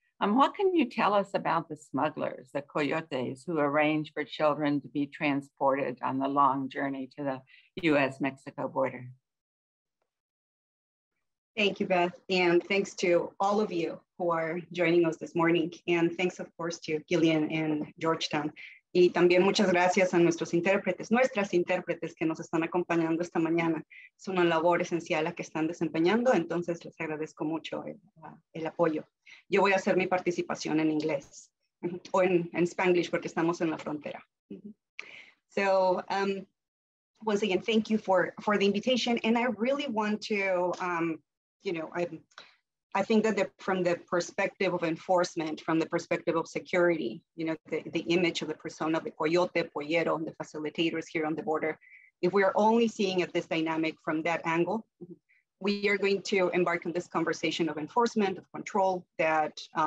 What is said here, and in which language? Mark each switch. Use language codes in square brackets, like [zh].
[en] What can you tell us about the smugglers, the coyotes, who arrange for children to be transported on the long journey to the U.S.-Mexico border? Thank you, Beth. And thanks to all of you who are joining us this morning. And thanks, of course, to Gillian and Georgetown. [es] Y también muchas gracias a nuestras intérpretes que nos están acompañando esta mañana. Es una labor esencial la que están desempeñando, entonces les agradezco mucho el apoyo. Yo voy a hacer mi participación en inglés, o en Spanglish, porque estamos en la frontera. [en] So, once again, thank you for the invitation, and I really want to, I think that from the perspective of enforcement, from the perspective of security, you know, the image of the persona of the coyote, pollero, and the facilitators here on the border, if we are only seeing at this dynamic from that angle, we are going to embark on this conversation of enforcement, of control, that